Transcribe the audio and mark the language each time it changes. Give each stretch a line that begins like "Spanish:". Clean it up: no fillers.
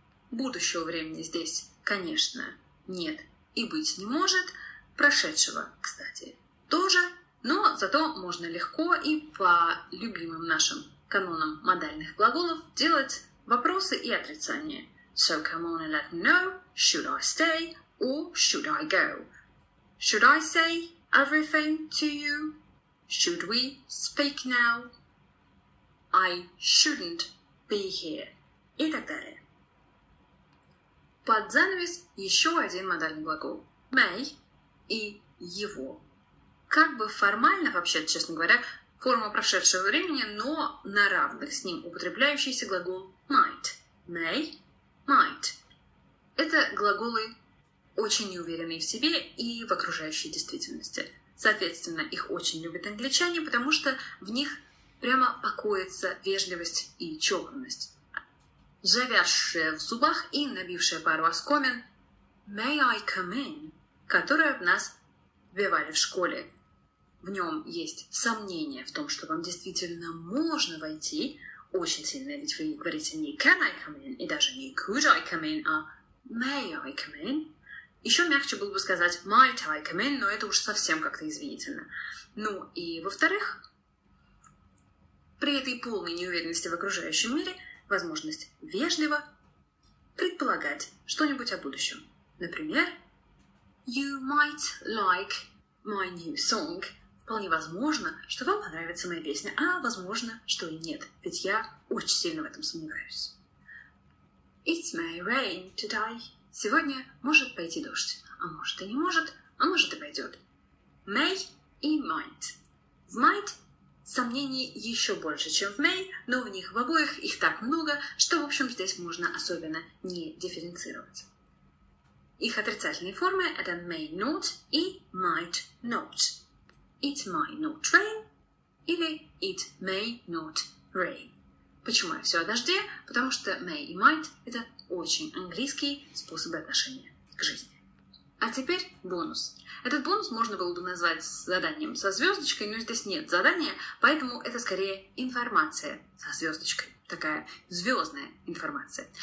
Russian: Будущего времени здесь, конечно, нет и быть не может. Прошедшего, кстати, тоже. Но зато можно легко и по любимым нашим канонам модальных глаголов делать вопросы и отрицания.
English: So come on and let me know, should I stay or should I go? Should I say everything to you? Should we speak now? I shouldn't be here.
Russian: И так далее. Под занавес еще один модальный глагол. May и его. Как бы формально, вообще, честно говоря, форма прошедшего времени, но на равных с ним употребляющийся глагол might.
English: May, might.
Russian: Это глаголы очень неуверенные в себе и в окружающей действительности. Соответственно, их очень любят англичане, потому что в них прямо покоится вежливость и чопорность. Завязшая в зубах и набившая пару оскомин
English: may I come in,
Russian: которую в нас вбивали в школе. В нем есть сомнение в том, что вам действительно можно войти. Очень сильно, ведь вы говорите не
English: can I come in,
Russian: и даже не
English: could I come in,
Russian: а
English: may I come in.
Russian: Еще мягче было бы сказать
English: might I come in,
Russian: но это уж совсем как-то извинительно. Ну и во-вторых, при этой полной неуверенности в окружающем мире возможность вежливо предполагать что-нибудь о будущем. Например,
English: you might like my new song.
Russian: Вполне возможно, что вам понравится моя песня, а возможно, что и нет, ведь я очень сильно в этом сомневаюсь.
English: It may rain today.
Russian: Сегодня может пойти дождь, а может и не может, а может и пойдет.
English: May и might.
Russian: В might сомнений еще больше, чем в may, но в них в обоих их так много, что, в общем, здесь можно особенно не дифференцировать. Их отрицательные формы — это may not и might not.
English: It may not rain
Russian: или
English: it may not rain.
Russian: Почему я все о дожде? Потому что may и might — это очень английские способы отношения к жизни. А теперь бонус. Этот бонус можно было бы назвать заданием со звездочкой, но здесь нет задания, поэтому это скорее информация со звездочкой, такая звездная информация.